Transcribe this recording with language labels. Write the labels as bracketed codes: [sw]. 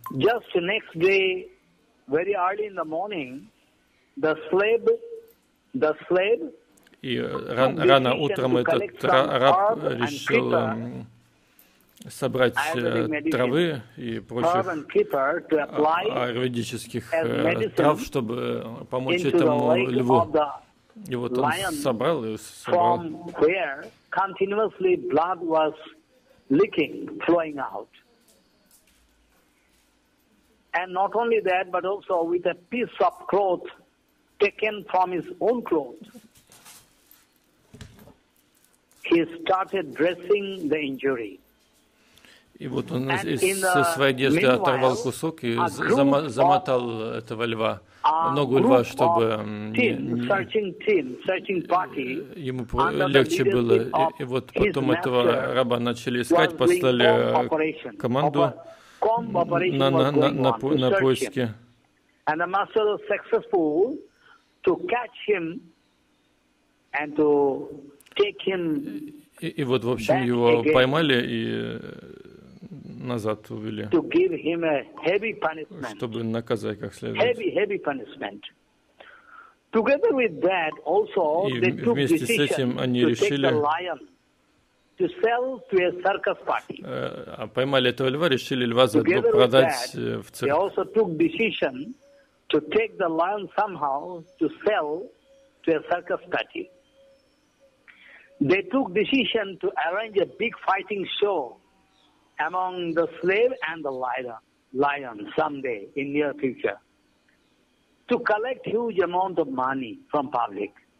[en] Just the next day, very early in the morning, the slave. [ru] И рано утром этот раб решил собрать травы и прочих аюрведических трав, чтобы помочь этому льву. И вот он собрал. [en] From where continuously blood was leaking, flowing out, and not only that, but also with a piece of cloth taken from his own cloth, he started dressing the injury. [ru] И вот он со своей одежды оторвал кусок и замотал этого льва, ногу льва, чтобы ему легче было. И вот потом этого раба начали искать, послали команду на поиски. [en] And the master was successful to catch him and to take him. [ru] И вот, в общем, его поймали и назад увели, [en] to give him a heavy punishment, [ru] чтобы наказать как следует. [en] Heavy punishment. Together with that, also, [ru] и вместе с этим они решили [en] to sell to a circus party. [ru] Поймали этого льва, решили льва заодно продать в цирк. [en] They also took decision to take the lion somehow to sell to a circus party. They took decision to arrange a big fighting show among the slave and the lion someday in near future to collect huge amount of money from public.